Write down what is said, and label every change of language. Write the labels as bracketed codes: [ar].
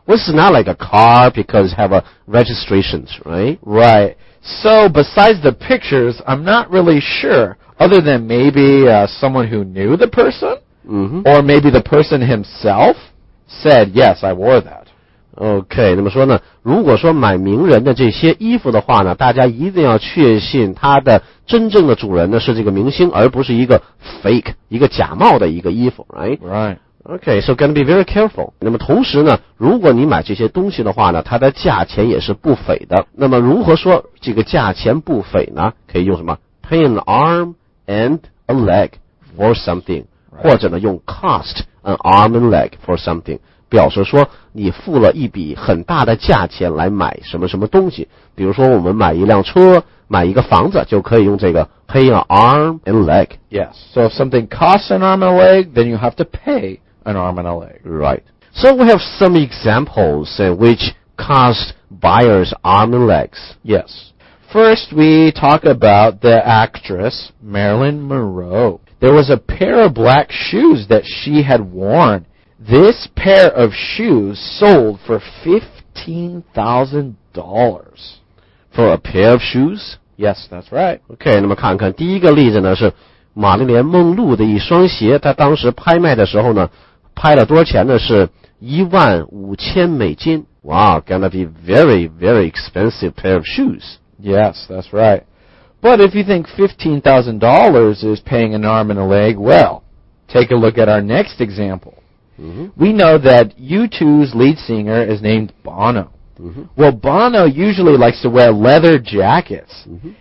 [en] Well, it's not like a car because have a registrations, right? Right. So besides the pictures, I'm not really sure, other than maybe someone who knew the person, or maybe the person himself said, yes, I wore that. [zh] OK, 那么说呢，如果说买名人的这些衣服的话呢，大家一定要确信它的真正的主人呢是这个明星，而不是一个 fake, 一个假冒的一个衣服 , [en] right? Right. OK, so gonna be very careful. [zh] 那么同时呢，如果你买这些东西的话呢，它的价钱也是不菲的。那么如何说这个价钱不菲呢？可以用什么 [en] ?pay an arm and a leg for something,、 right. [zh] 或者呢用 [en] cost an arm and leg for something. [zh] 表示说你付了一笔很大的价钱来买什么什么东西，比如说我们买一辆车买一个房子就可以用这个 [en] pay an arm and leg. Yes, so if something costs an arm and a leg, then you have to pay an arm and a leg. Right. So we have some examples in which cost buyers arm and legs. Yes. First, we talk about the actress Marilyn Monroe. There was a pair of black shoes that she had worn. This pair of shoes sold for $15,000. For a pair of shoes? Yes, that's right. [zh] Okay, 那么看看第一个例子呢是玛丽莲梦露的一双鞋，她当时拍卖的时候呢拍了多少钱呢，是$15,000. [en] Wow, gonna be very, very expensive pair of shoes. Yes, that's right. But if you think $15,000 is paying an arm and a leg, well, take a look at our next example. Mm-hmm. We know that U2's lead singer is named Bono. Mm-hmm. Well, Bono usually likes to wear leather jackets. Mm-hmm.